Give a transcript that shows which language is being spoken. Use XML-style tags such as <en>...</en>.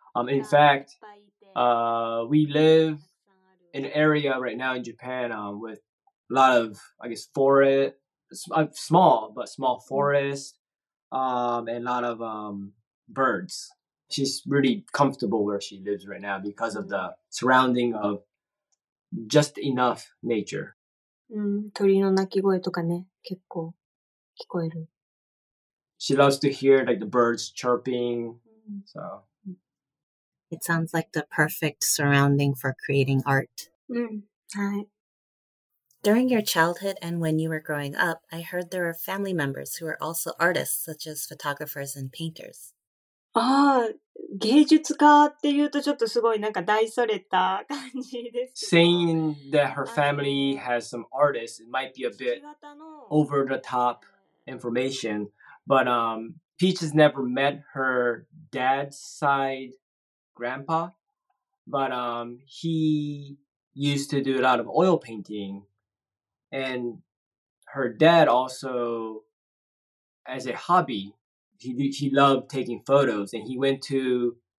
<en>In fact, we live in an area right now in Japan with a lot of, I guess, forest, small, but small forest, and a lot of birds. She's really comfortable where she lives right now because of the surrounding of just enough nature.</en> <ja>うん、鳥の鳴き声とかね、結構聞こえる。</ja> <en>She loves to hear like the birds chirping, so. It sounds like the perfect surrounding for creating art.</en> <ja>うん、はい。</ja> <en>During your childhood and when you were growing up, I heard there are family members who are also artists, such as photographers and painters.</en> <ja>ああ、芸術家っていうとちょっとすごいなんか大それた感じです。</ja> <en>Saying that her family has some artists, it might be a bit over the top information, but Peach has never met her dad's side grandpa, but he used to do a lot of oil painting, and her dad also, as a hobby,He loved taking photos, and he went to</en>